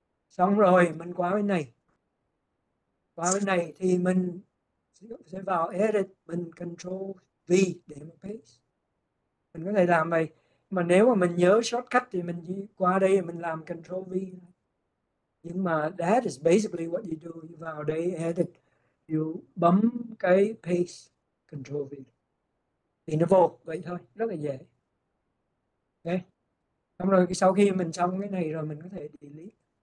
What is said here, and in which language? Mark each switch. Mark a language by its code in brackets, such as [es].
[vi] Xong rồi, mình qua bên này. Qua bên này thì mình sẽ vào edit, mình Ctrl V để mình paste. Mình có thể làm vậy. Mà nếu mà mình nhớ shortcut thì mình đi qua đây mình làm Ctrl V. Nhưng mà [en] that is basically what you do. [vi] You vào đây edit, you bấm cái paste, Ctrl V. Thì nó vô vậy thôi, rất là dễ. Ok. Xong rồi sau khi mình xong cái này rồi mình có thể delete.